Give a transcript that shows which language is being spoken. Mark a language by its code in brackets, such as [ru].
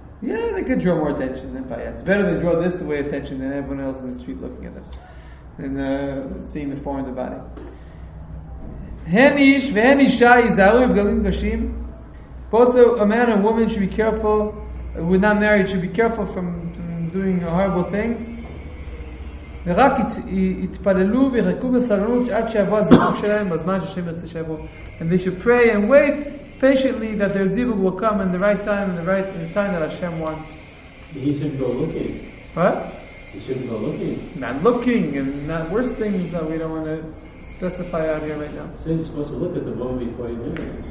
[en] Yeah, they could draw more attention than by it. It's better to draw this way attention than everyone else in the street looking at them. And seeing the form of the body. [he] Henish, Venisha, Izaru, Galim, Gashim. [en] Both a man and a woman should be careful, when not married, should be careful from doing horrible things. [he] ורק יתפללו ויחכו בסבלנות עד שיבוא הזיווג שלהם בזמן שהשם ירצה שיבוא. [en] And they should pray and wait patiently that their zivug will come in the right time, in the right in the time that Hashem wants. He shouldn't go looking. What? He shouldn't go looking. Not looking, and not worse things that we don't want to specify out here right now. So you're supposed to look at the woman before you do it.